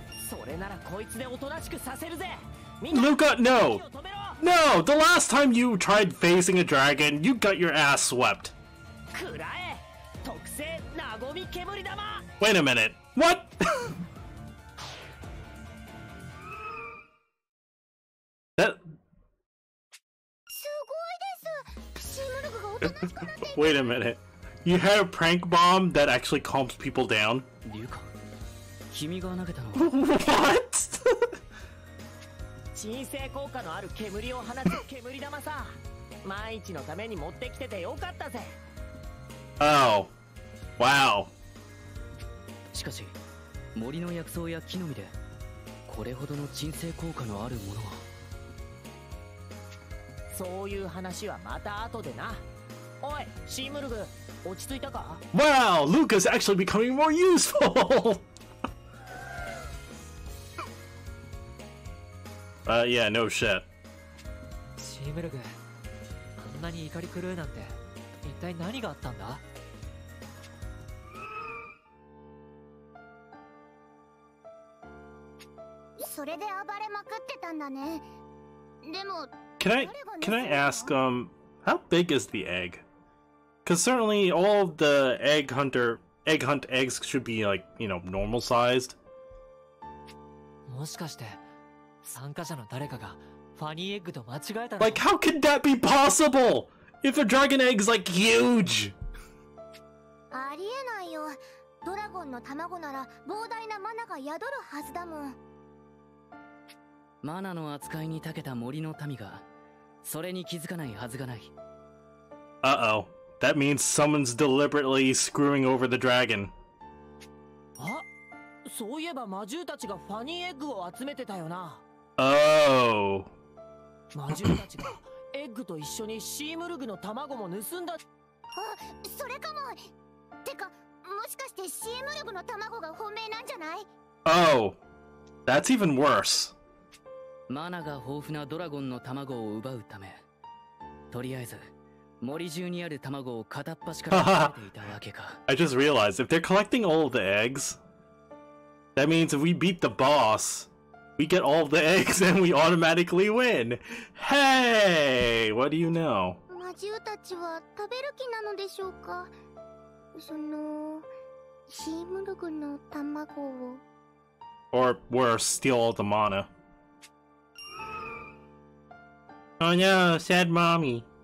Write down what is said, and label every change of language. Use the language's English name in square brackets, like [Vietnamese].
[Japanese] それならこいつでおとなしくさせるぜ。 [English] Luca, no! No! The last time you tried facing a dragon, you got your ass swept. [Japanese] くらえ、特製なごみ煙玉。 [English] Wait a minute. What? That... [Japanese] すごいです。シムルグがおとなしくなって。 [English] Wait a minute. You had a prank bomb that actually calms people down? [Japanese] Luca. 君が投げたの [English] What? [Japanese] 鎮静効果のある煙を放つ煙玉さ万一のために持ってきててよかったぜ [English] Oh Wow [Japanese] しかし森の薬草や木の実でこれほどの鎮静効果のあるものはそういう話はまた後でなおいシームルグ落ち着いたか [English] Wow Luca's actually becoming more usefulyeah, no shit. [Japanese] シームルグ、あんなに怒り狂うなんて、一体何があったんだ？それで暴れまくってたんだね。でも、 [English] Can I ask, how big is the egg? Because certainly all the egg hunt eggs should be like, you know, normal sized. [Japanese] もしかして。参加者の誰かがファニーエッグと間違えたの。 [English] Like, how can that be possible? If a dragon egg is like huge. [Japanese] ありえないよ。ドラゴンの卵なら膨大なマナが宿るはずだもん。マナの扱いに長けた森の民がそれに気づかないはずがない。 [English] Uh-oh. That means someone's deliberately screwing over the dragon. [Japanese] あ、そういえば魔獣たちがファニーエッグを集めてたよな。 [English] Oh. [Japanese] 魔獣たちがエッグと一緒にシームルグの卵も盗んだ。あ、それかも。てか、もしかしてシームルグの卵が本命なんじゃない [English] ？Oh. That's even worse. [Japanese] マナが豊富なドラゴンの卵を奪うため、とりあえず森中にある卵を片っ端から食べていたわけか。 [English] I just realized if they're collecting all the eggs, that means if we beat the boss, we get all the eggs and we automatically win. Hey, what do you know? [Japanese] 魔獣たちは食べる気なのでしょうか。そのシームルグの卵を。 [English] Or worse, steal all the mana. Oh no, sad mommy.